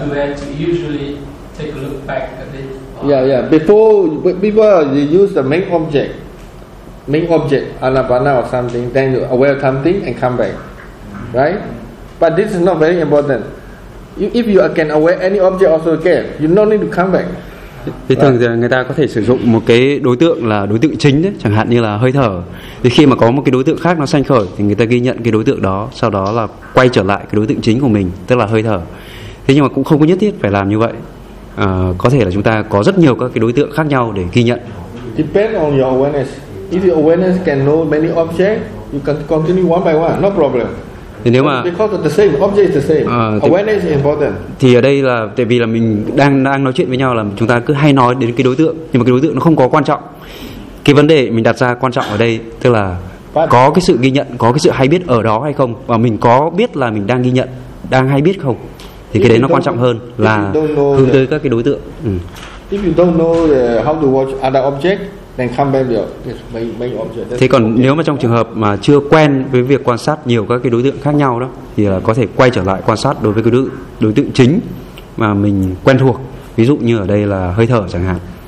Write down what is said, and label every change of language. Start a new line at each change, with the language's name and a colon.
English: we have to usually take a look back at it. Yeah. Before you use the main object. Main object, anapana or something, then you aware of something and come back. Right? But this is not very important. If you can aware any object also again, you don't need to come back.
Vietnamese: Thì thường thì người ta có thể sử dụng một cái đối tượng là đối tượng chính đấy, chẳng hạn như là hơi thở. Thì khi mà có một cái đối tượng khác nó sanh khởi thì người ta ghi nhận cái đối tượng đó, sau đó là quay trở lại cái đối tượng chính của mình, tức là hơi thở. Thế nhưng mà cũng không có nhất thiết phải làm như vậy. Có thể là chúng ta có rất nhiều các cái đối tượng khác nhau để ghi nhận.
English: Depend on your awareness. If your awareness can know many objects, you can continue one by one, no problem.
Vietnamese: Nếu mà,
English: because of the same, object is the same. Awareness is important.
Vietnamese: Thì ở đây là tại vì là mình đang nói chuyện với nhau là chúng ta cứ hay nói đến cái đối tượng, nhưng mà cái đối tượng nó không có quan trọng. Cái vấn đề mình đặt ra quan trọng ở đây tức là có cái sự ghi nhận, có cái sự hay biết ở đó hay không, và mình có biết là mình đang ghi nhận, đang hay biết không. Thì cái đấy nó quan trọng hơn là hướng tới các cái đối tượng.
English: If you don't know how to watch other object, then come back to main object.
Vietnamese: Thế còn nếu mà trong trường hợp mà chưa quen với việc quan sát nhiều các cái đối tượng khác nhau đó, thì là có thể quay trở lại quan sát đối với cái đối tượng chính mà mình quen thuộc. Ví dụ như ở đây là hơi thở chẳng hạn.